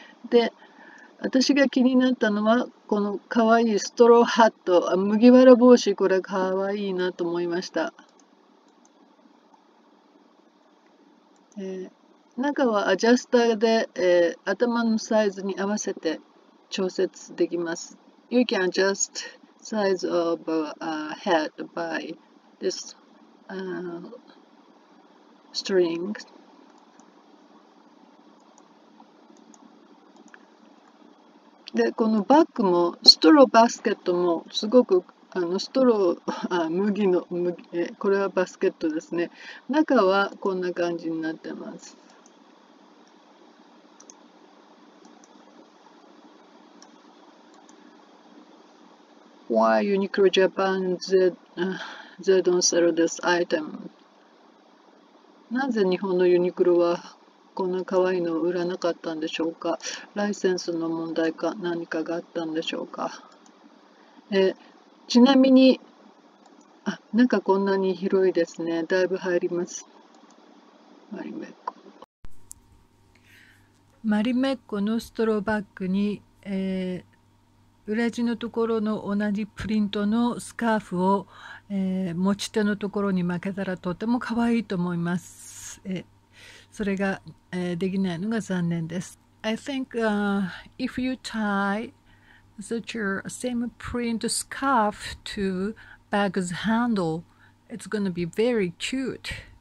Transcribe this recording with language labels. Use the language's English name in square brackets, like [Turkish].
[Japanese] で、私が気になったのは、このかわいいストローハット、麦わら帽子、これかわいいなと思いました。中はアジャスターで、頭のサイズに合わせて調節できます。 [English] You can adjust size of head by this string. [Japanese] で、このバッグもストローバスケットもすごく、麦の麦、これはバスケットですね。中はこんな感じになってます。 [English] Why Uniqlo Japan they don't sell this item? [Japanese] なぜ日本のユニクロはこんな可愛いのを売らなかったんでしょうか？ライセンスの問題か何かがあったんでしょうか？ちなみに、中こんなに広いですね。だいぶ入ります。マリメッコ。マリメッコのストローバッグに、裏地のところの同じプリントのスカーフを、持ち手のところに巻けたらとても可愛いと思います。それが、できないのが残念です。 [English] I think, if you tie such a same print scarf to bag's handle, it's gonna be very cute.